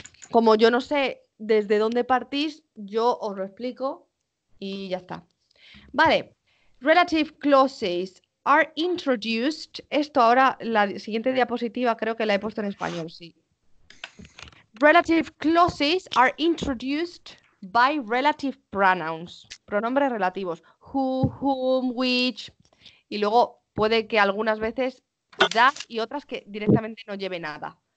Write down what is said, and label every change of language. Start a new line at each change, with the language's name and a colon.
Spanish: Como yo no sé desde dónde partís, yo os lo explico y ya está. Vale.
English: Relative clauses are introduced.
Spanish: Esto ahora, la siguiente diapositiva creo que la he puesto en español, sí.
English: Relative clauses are introduced by relative pronouns.
Spanish: Pronombres relativos. Who, whom, which. Y luego puede que algunas veces that y otras que directamente no lleve nada.